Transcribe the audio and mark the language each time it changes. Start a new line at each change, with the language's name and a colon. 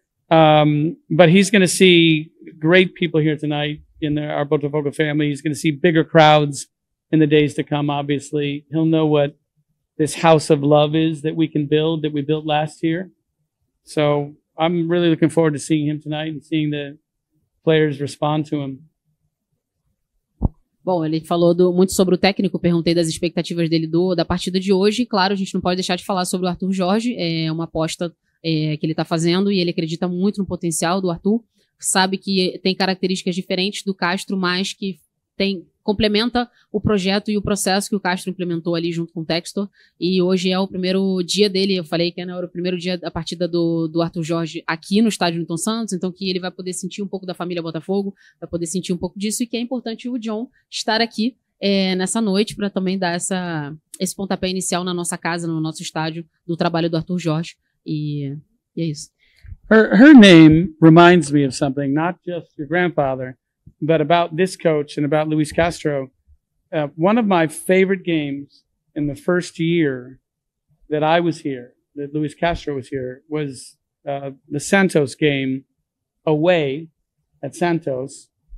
English: But he's going to see great people here tonight in our Botafogo family. He's going to see bigger crowds in the days to come, obviously. He'll know what this house of love is that we can build, that we built last year. So I'm really looking forward to seeing him tonight and seeing the players respond to him.
Portuguese: Bom, ele falou muito sobre o técnico, perguntei das expectativas dele da partida de hoje, e claro, a gente não pode deixar de falar sobre o Arthur Jorge. É uma aposta que ele está fazendo, e ele acredita muito no potencial do Arthur, sabe que tem características diferentes do Castro, mas que complementa o projeto e o processo que o Castro implementou ali junto com o Textor. E hoje é o primeiro dia dele, eu falei que era o primeiro dia da partida do Arthur Jorge aqui no estádio Nilton Santos, então que ele vai poder sentir um pouco da família Botafogo, vai poder sentir um pouco disso, e que é importante o John estar aqui nessa noite para também dar esse pontapé inicial na nossa casa, no nosso estádio, do trabalho do Arthur Jorge. E é isso.
English: Her name reminds me of something, not just your grandfather, but about this coach and about Luis Castro. One of my favorite games in the first year that I was here, that Luis Castro was here, was the Santos game away at Santos.